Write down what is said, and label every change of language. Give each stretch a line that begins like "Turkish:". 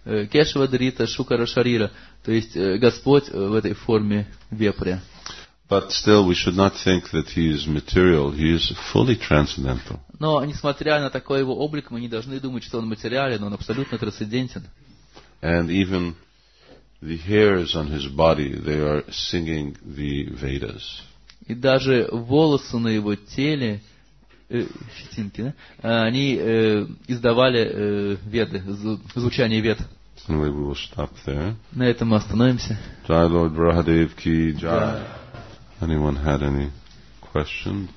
Russian: Кешава Дрита Шукара Шарира, то есть Господь в этой форме вепря.
English: But still, we should not think that he is material. He is fully transcendental.
Russian: Но несмотря на такой его облик, мы не должны думать, что он материален. Он абсолютно трансцендентен.
English: And even the hairs on his body, they are singing the Vedas.
Russian: И даже волосы на его теле, щетинки, да? Они издавали веды, звучание вед.
English: And we will stop there.
Russian: На этом мы остановимся.
English: Jai Lord Brahadev ki jai. Anyone had any question?